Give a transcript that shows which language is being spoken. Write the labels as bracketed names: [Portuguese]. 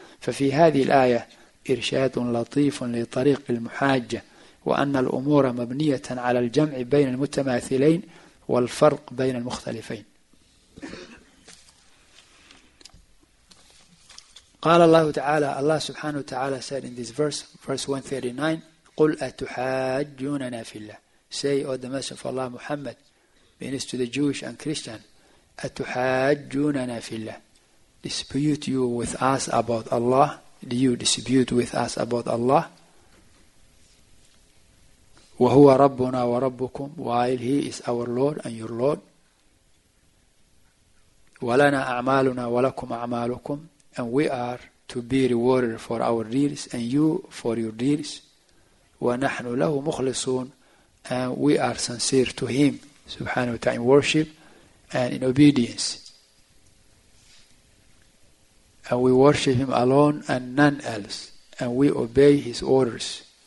[Arabic] ففي هذه الآية إرشاد لطيف لطريق المحاجة، وأن الأمور مبنية على الجمع بين المتماثلين والفرق بين المختلفين. قال الله تعالى، الله سبحانه وتعالى [English] said in this verse 139, [Arabic] قل أتحاجوننا في الله. [English] Say, O the Messenger of Allah Muhammad, means to the Jewish and Christian, [Arabic] أتحاجوننا في الله. [English] Dispute you with us about Allah? Do you dispute with us about Allah? [Arabic] وهو ربنا وربكم. [English] While he is our Lord and your Lord. [Arabic] ولنا أعمالنا ولكم أعمالكم. [English] And we are to be rewarded for our deeds and you for your deeds. [Arabic] ونحن له مخلصون. [English] And we are sincere to him. [Arabic] سبحانه وتعالى [English] in worship and in obedience. And we worship him alone and none else. And we obey his orders.